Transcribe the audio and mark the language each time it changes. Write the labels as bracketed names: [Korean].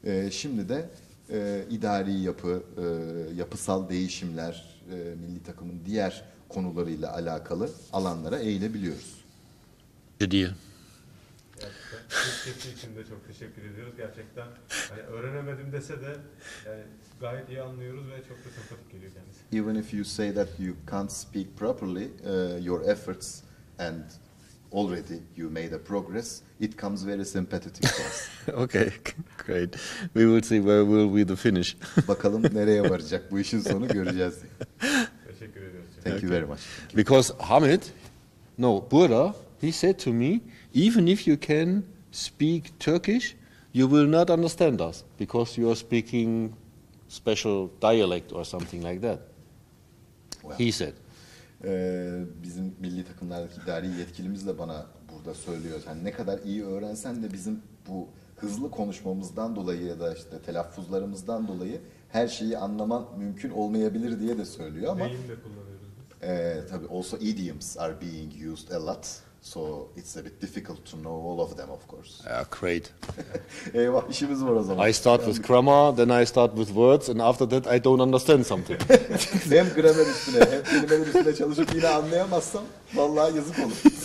[Turkish] Şimdi de idari yapı, yapısal değişimler, milli takımın diğer konularıyla alakalı alanlara eğilebiliyoruz. Diye. Gerçekten için de çok teşekkür ediyoruz. Gerçekten hani öğrenemedim dese de yani gayet iyi anlıyoruz ve çok da sempatik geliyor kendisi. [English] Even if you say that you can't speak properly, your efforts and already you made a progress, it comes very sympathetic for us. Okay, great. We will see where will be the finish. [Turkish] Bakalım nereye varacak bu işin sonu göreceğiz. Teşekkür ediyoruz. [English] Thank you very much. Because Hamid, no, Burak, he said to me, even if you can speak Turkish, you will not understand us because you are speaking special dialect or something like that. Well, he said. [Turkish] Bizim milli takımlardaki idari yetkilimiz de bana burada söylüyor. Yani ne kadar iyi öğrensen de bizim bu hızlı konuşmamızdan dolayı ya da işte telaffuzlarımızdan dolayı her şeyi anlaman mümkün olmayabilir diye de söylüyor ama. Deyim de kullanıyoruz. [English] Tabii also idioms are being used a lot. So it's a bit difficult to know all of them, of course. Yeah, great. [Turkish] Eyvah, işimiz var o zaman. [English] I start with grammar, then I start with words, and after that I don't understand something. [Turkish] Hem gramer üstüne, hem kelimeler üstüne çalışıp yine anlayamazsam, vallahi yazık olur.